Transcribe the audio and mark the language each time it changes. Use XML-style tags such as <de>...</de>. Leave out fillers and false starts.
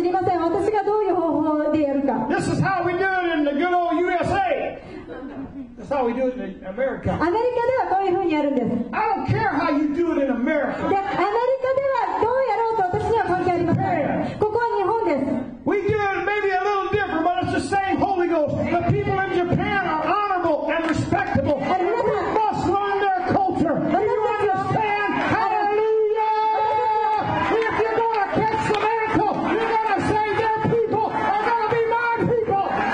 <ja>あの皆さんこのアジアにやってきてアジア人をどのように勝ち取るか私たちに教えてくれる人がいます。あの皆さんは知りません。私がどういう方法でやるか。</ja> <en>This is how we do it in the good old USA. That's how we do it in America.</en> <ja>アメリカではこういうふうにやるんです。</ja> <en>I don't care how you do it in America.</en> <ja>アメリカではどうやろうと私には関係ありません。ここは日本です。</ja> <en>We do it maybe a little different, but it's the same Holy Ghost. The people in Japan are honorable and respectable. We must learn their culture. You understand? Hallelujah! If you're going to catch the mantle, you got to say their people are going to be my people.</en>